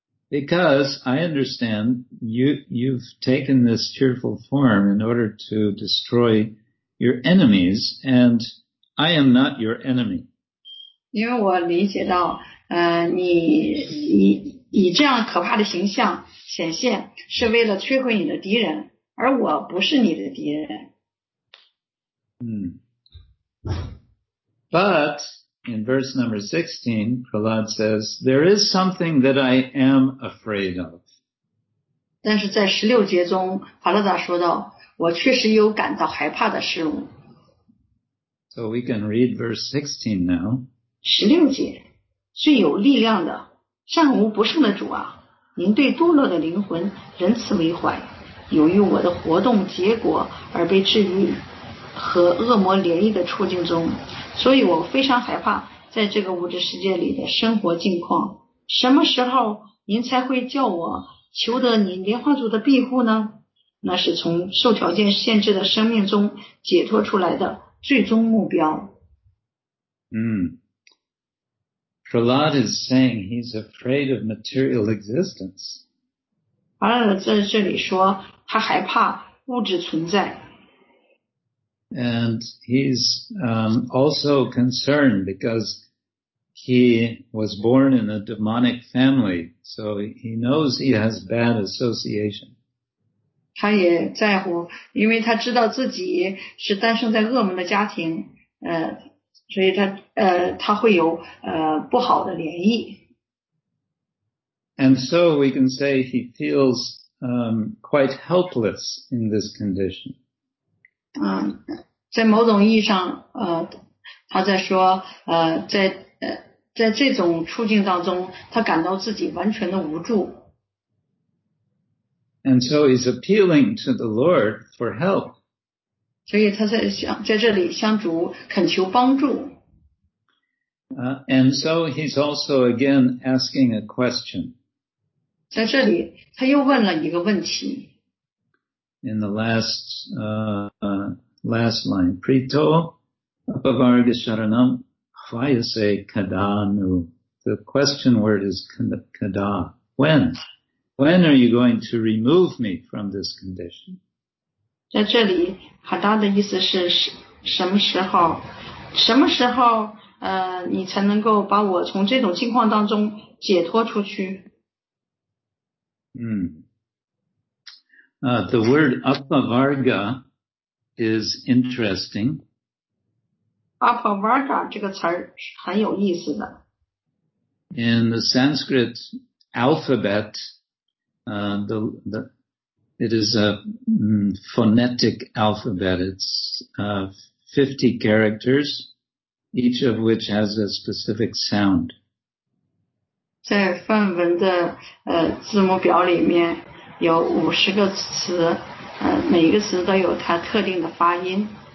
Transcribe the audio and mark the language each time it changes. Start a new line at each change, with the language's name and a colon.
English: Because I understand you've taken this fearful form in order to destroy your enemies, and I am not your enemy.
Chinese: 因为我理解到你以这样可怕的形象显现是为了摧毁你的敌人，而我不是你的敌人。
English: But in verse number 16, Prahlad says, there is something that I am afraid of.
Chinese: 但是在16节中，帕拉达说道，我确实有感到害怕的事物。
English: So we can read verse 16 now.
Chinese: 16节，最有力量的，善无不胜的主啊，您对堕落的灵魂仁慈为怀，由于我的活动结果而被置于和恶魔联谊的处境中，所以我非常害怕在这个物质世界里的生活境况。什么时候您才会叫我求得您莲花族的庇护呢？那是从受条件限制的生命中解脱出来的最终目标。
English: Prahlad is saying he's afraid of material existence.
Chinese: 帕拉达在这里说他害怕物质存在。
English: And he's also concerned because he was born in a demonic family, so he knows he has bad association.
Chinese: 他也在乎，因为他知道自己是诞生在恶魔的家庭。所以他会有不好的联谊。
English: And so we can say he feels quite helpless in this condition.
Chinese: 在某种意义上，他在说，在这种处境当中，他感到自己完全的无助。
English: And so he's appealing to the Lord for help.
Chinese: 所以他在这里向主恳求帮助。
English: And so he's also again asking a question.
Chinese: 在这里他又问了一个问题。
English: In the last line,
Sanskrit: Prito, Apavarga Sharanam, Vayase Kadanu.
English: The question word is Kada. When? When are you going to remove me from this condition?
Chinese: 在这里 Kada 的意思是什么时候你才能够把我从这种境况当中解脱出去。
English: The word Apavarga is interesting.
Chinese: Apavarga 这个词很有意思的。
English: In the Sanskrit alphabet, it is a phonetic alphabet. It's 50 characters, each of which has a specific sound.
Chinese: 在梵文的字母表里面有50个词，每一个词都有它特定的发音。